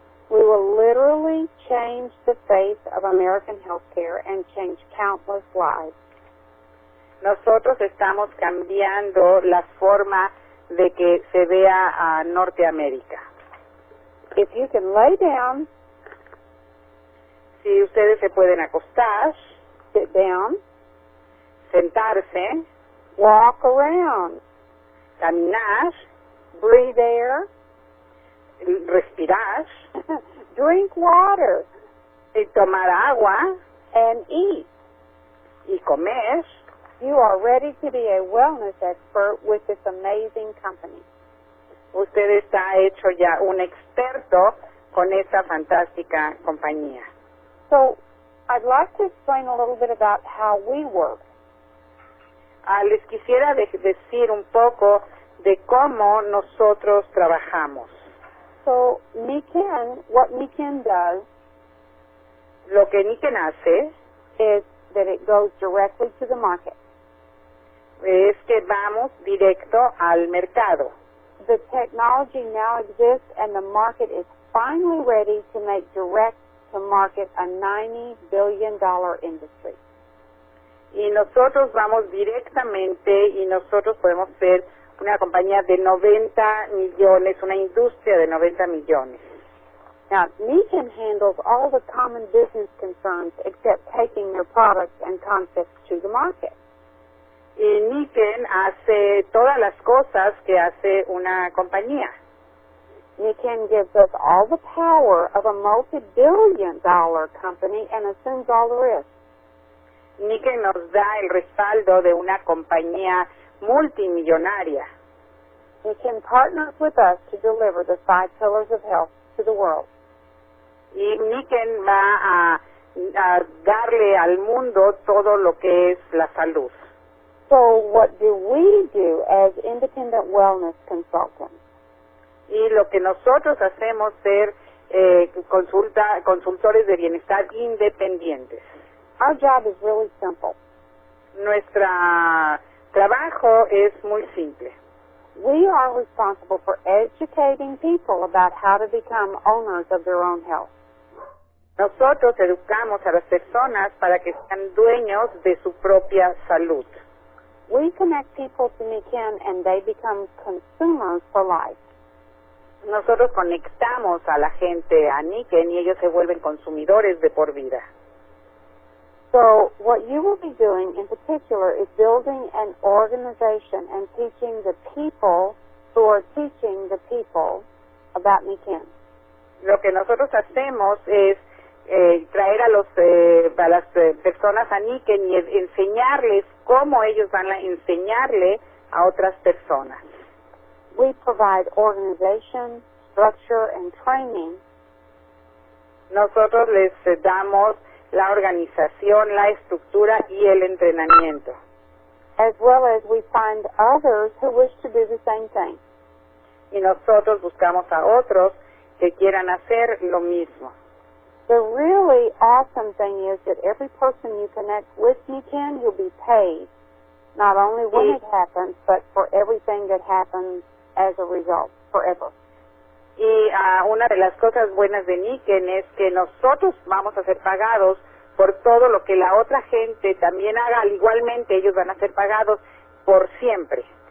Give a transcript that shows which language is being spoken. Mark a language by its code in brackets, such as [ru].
[en] We will literally change the face of American healthcare and change countless lives. [es] Nosotros estamos cambiando la forma de que se vea a Norteamérica. [en] If you can lay down, [es] si ustedes se pueden acostar, [en] sit down, [es] sentarse, [en] walk around, [es] caminar, [en] breathe air, [es] respirar, [en] drink water, [es] y tomar agua, [en] and eat, [es] y comer, [en] you are ready to be a wellness expert with this amazing company. [es] Usted está hecho ya un experto con esta fantástica compañía. [en] So, I'd like to explain a little bit about how we work. [es] Les quisiera decir un poco de cómo nosotros trabajamos. [en] So, Nitten, what Nitten does, [es] lo que Nitten hace, [en] is that it goes directly to the market. [es] Es que vamos directo al mercado. [en] The technology now exists and the market is finally ready to make direct to market a $90 billion industry. [es] Y nosotros vamos directamente y nosotros podemos ser una compañía de 90 millones, una industria de 90 millones. [en] Now, Nitten handles all the common business concerns except taking their products and concepts to the market. [es] Y Nitten hace todas las cosas que hace una compañía. [en] Nitten gives us all the power of a multi-billion-dollar company and assumes all the risks. [es] Nitten nos da el respaldo de una compañía multimillonaria. [en] We can partner with us to deliver the five pillars of health to the world. [es] Y Niken va a darle al mundo todo lo que es la salud. [en] So what do we do as independent wellness consultants? [es] Y lo que nosotros hacemos ser consultores de bienestar independientes. [en] Our job is really simple. [es] Nuestro trabajo es muy simple. [en] We are responsible for educating people about how to become owners of their own health. [es] Nosotros educamos a las personas para que sean dueños de su propia salud. [en] We connect people to Niken and they become consumers for life. [es] Nosotros conectamos a la gente a Niken y ellos se vuelven consumidores de por vida. [en] So what you will be doing in particular is building an organization and teaching the people who are teaching the people about Niken. [es] Lo que nosotros hacemos es traer a los a las personas a Niken y enseñarles cómo ellos van a enseñarle a otras personas. [en] We provide organization, structure, and training. [es] Nosotros les damos la organización, la estructura y el entrenamiento. [en] As well as we find others who wish to do the same thing. [es] Y nosotros buscamos a otros que quieran hacer lo mismo. [en] The really awesome thing is that every person you connect with Niken, you'll be paid, not only when it happens, but for everything that happens as a result, forever. [es] Y una de las cosas buenas de Niken es que nosotros vamos a ser pagados por todo lo que la otra gente también haga, igualmente ellos van a ser pagados por siempre.